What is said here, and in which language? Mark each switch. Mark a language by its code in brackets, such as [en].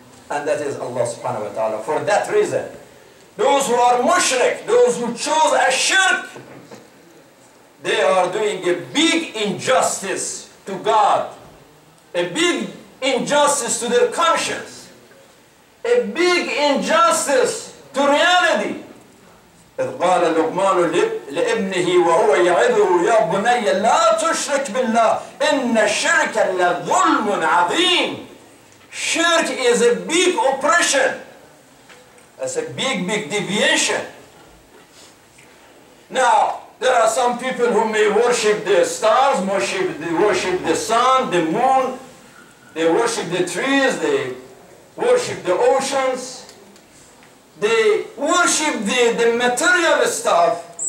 [en] And that is Allah subhanahu wa ta'ala. For that reason, those who are mushrik, those who chose a shirk, they are doing a big injustice to God, a big injustice to their conscience, a big injustice to reality. [ar] إِذْ قَالَ لُقْمَانُ لِإِبْنِهِ وَهُوَ يَعِذُهُ يَا بُنَيَّ لَا تُشْرِكْ بِاللَّهِ إِنَّ الشِّرْكَ لَظُلْمٌ عَظِيمٌ [en] Shirk is a big oppression. That's a big, big deviation. Now, there are some people who may worship the stars, worship the sun, the moon, they worship the trees, they worship the oceans, they worship the material stuff.